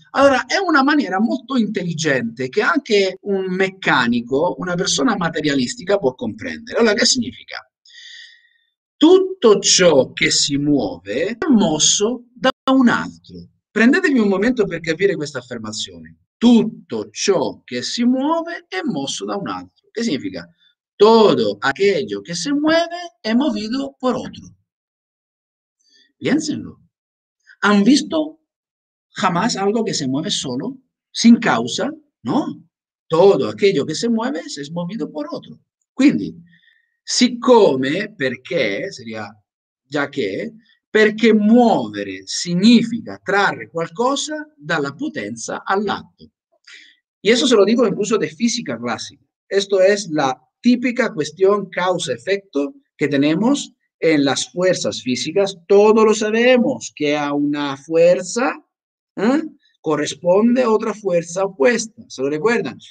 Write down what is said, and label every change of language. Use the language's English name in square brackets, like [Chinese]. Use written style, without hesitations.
[Italian] Allora, è una maniera molto intelligente che anche un meccanico, una persona materialistica può comprendere. Allora, che significa? Tutto ciò che si muove è mosso da un altro. Prendetevi un momento per capire questa affermazione. Tutto ciò che si muove è mosso da un altro. Che significa? [Spanish] Todo aquello que se mueve es movido por otro. Piénsenlo. ¿Han visto jamás algo que se mueve solo, sin causa? No. Todo aquello que se mueve es movido por otro. [Italian] Quindi, siccome, perché, [Spanish] sería ya que, [Italian] perché muovere significa trarre qualcosa dalla potenza all'atto. [Spanish] Y eso se lo digo incluso de física clásica. Esto es la típica cuestión causa-efecto que tenemos en las fuerzas físicas. Todos lo sabemos que a una fuerza corresponde a otra fuerza opuesta. ¿Se lo recuerdan?